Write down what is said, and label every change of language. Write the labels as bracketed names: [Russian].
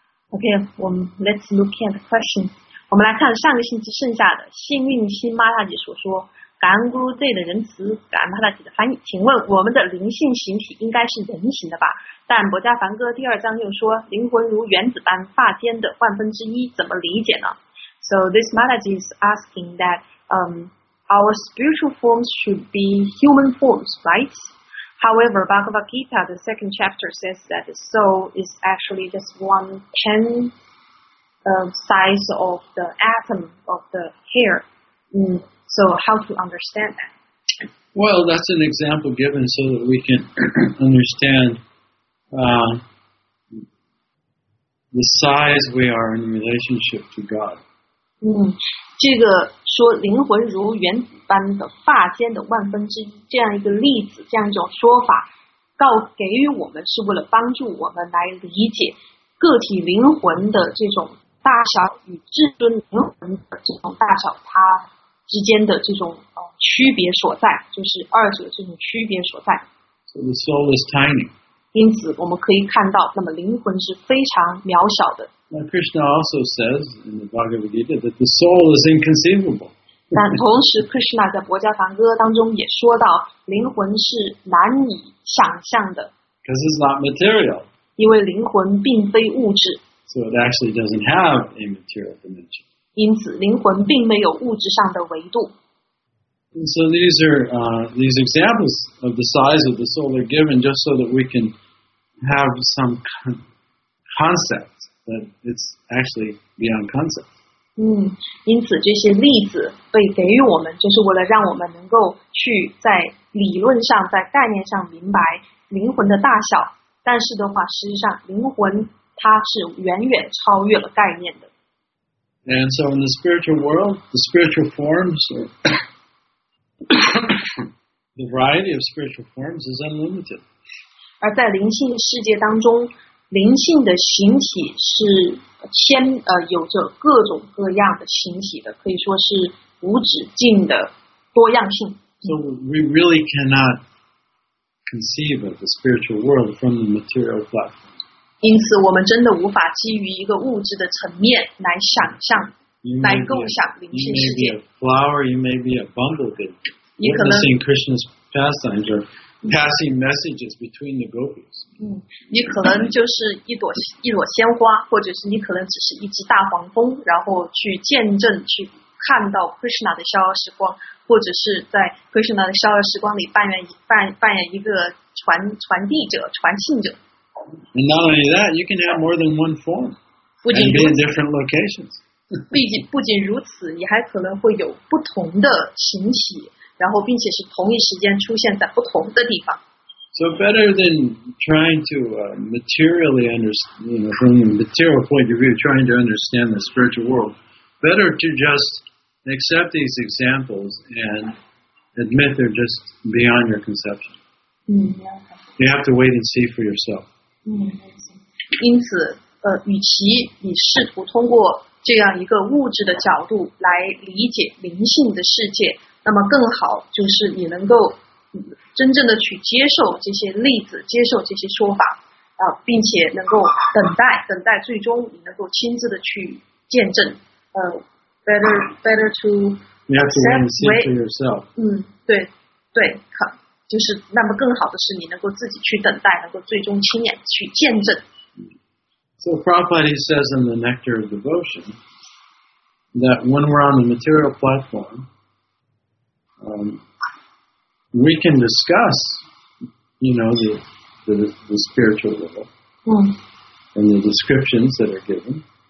[English] Okay, let's look at the question. [Chinese] 我们来看上个星期剩下的幸运星妈大姐所说感恩 Guru Z 的仁慈，感恩妈大姐的翻译。请问我们的灵性形体应该是人形的吧？但《博迦梵歌》第二章又说灵魂如原子般发间的万分之一，怎么理解呢？ [English] So this mother is asking that our spiritual forms should be human forms, right? However, Bhagavad Gita, the second chapter says that the soul is actually just 1/10 size of the atom of the hair. So how to understand that? Well, that's an example given so that we can understand the size we are in relationship to God. [Chinese] 这个说灵魂如原子般的发间的万分之一，这样一个例子，这样一种说法，告给予我们是为了帮助我们来理解个体灵魂的这种大小与至尊灵魂的这种大小，它之间的这种区别所在，就是二者这种区别所在。 [English] So the soul is tiny. [Chinese] 因此我们可以看到，那么灵魂是非常渺小的。 [English] Now Krishna also says in the Bhagavad Gita that the soul is inconceivable. [Chinese] 但同时 ，Krishna 在《博迦梵歌》当中也说到，灵魂是难以想象的。 [English] Because it's not material. [Chinese] 因为灵魂并非物质。 [English] So it actually doesn't have a material dimension. [Chinese] 因此，灵魂并没有物质上的维度。 [English] And so these examples of the size of the soul are given just so that we can have some concept. That it's actually beyond concept. [Chinese] 因此这些例子被给予我们，就是为了让我们能够去在理论上、在概念上明白灵魂的大小。但是的话，实际上灵魂它是远远超越了概念的。 [English] And so in the spiritual world, the spiritual forms, the variety of spiritual forms is unlimited. [Chinese] 而在灵性世界当中。灵性的形体是有着各种各样的形体的，可以说是无止境的多样性。 [English] So we really cannot conceive of the spiritual world from the material platform. [Chinese] 因此，我们真的无法基于一个物质的层面来想象、来构想灵性世界。 [English] You may be a flower, you may be a bumblebee. witnessing Krishna's pastimes or passing messages between the gopis. [Chinese] 你可能就是一朵鲜花，或者是你可能只是一只大黄蜂，然后去见证去看到 Krishna 的逍遥时光，或者是在 Krishna 的逍遥时光里扮演一个传递者、传信者。 [English] And not only that, you can have more than one form and be in different locations. [Chinese] 不仅如此，你还可能会有不同的形体，然后并且是同一时间出现在不同的地方。 [English] So better than trying to materially understand, you know, from a material point of view, trying to understand the spiritual world, better to just accept these examples and admit they're just beyond your conception. You have to wait and see for yourself. [Chinese] 因此，与其你试图通过这样一个物质的角度来理解灵性的世界，那么更好就是你能够真正的去接受这些例子，接受这些说法，并且能够等待最终你能够亲自的去见证。 [English] Better to you have to see for yourself. [Chinese] 对对，就是那么更好的是你能够自己去等待，能够最终亲眼去见证。 [English] So Prabhupada says in the Nectar of Devotion that when we're on the material platform, we can discuss, you know, the spiritual level and the descriptions that are given.